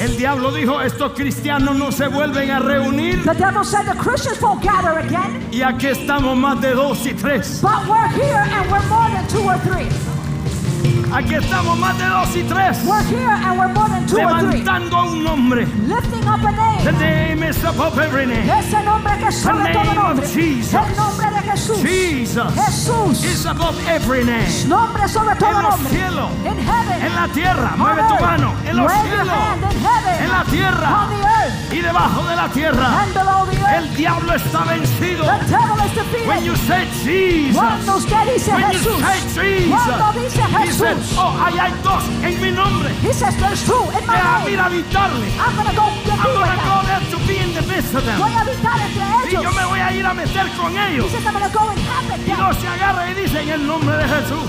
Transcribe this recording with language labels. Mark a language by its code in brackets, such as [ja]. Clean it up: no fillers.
[es] El diablo dijo, estos cristianos no se vuelven a reunir. [en] The devil said, the Christians won't gather again. [es] Y aquí estamos más de dos y tres. [en] But we're here and we're more than two or three. [es] Aquí estamos más de dos y tres. [en] We're here and we're more than two or three. [es] Levantando un nombre. [en] Lifting up a name. The name is above every name. [es] Ese nombre que sobre todo nombre. [en] The name of Jesus. [es] El nombre de Jesús. [en] Jesus. [es] Jesús. [en] Is above every name. [es] Nombre sobre todo nombre. En los cielos. [en] In heaven. [es] En la tierra. Mueve tu mano. En los cielos. [en] In heaven. [es] En la tierra. [en] On the earth. [es] Y debajo de la tierra. [en] And below the earth. [es] El diablo está vencido. [en] The devil is defeated. When you say Jesus. [es] Cuando usted dice [en] when [es] Jesús. [en] When you say Jesus. [es] Cuando dice Jesús. Oh, allá hay dos en mi nombre. [en] He says there's two in my name. [es] Voy a habitarle. [en] I'm gonna go to them. I'm gonna go there to be in the midst of them. [es] Voy a habitar entre ellos. Y yo me voy a ir a meter con ellos. [en] He says I'm gonna go and happen. [es] Y dos se agarra y dice en el nombre de Jesús.